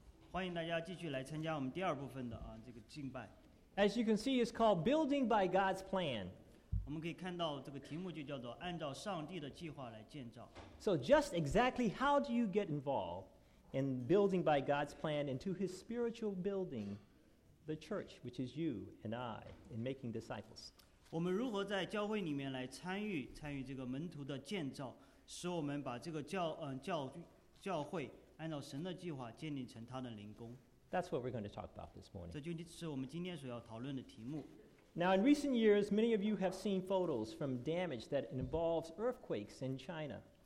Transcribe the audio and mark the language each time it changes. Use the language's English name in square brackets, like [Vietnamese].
[Chinese] 欢迎大家继续来参加我们第二部分的这个敬拜。 [English] As you can see, it's called Building by God's Plan. [Chinese] 我们可以看到这个题目就叫做按照上帝的计划来建造。 [English] So just exactly how do you get involved in building by God's plan into his spiritual building, the church, which is you and I, in making disciples? [Chinese] 我们如何在教会里面来参与这个门徒的建造，使我们把这个教会按照神的计划建立成他的灵工。 [English] That's what we're going to talk about this morning. [Chinese] 这就是我们今天所要讨论的题目。 [English] Now, in recent years, many of you have seen photos from damage that involves earthquakes in China.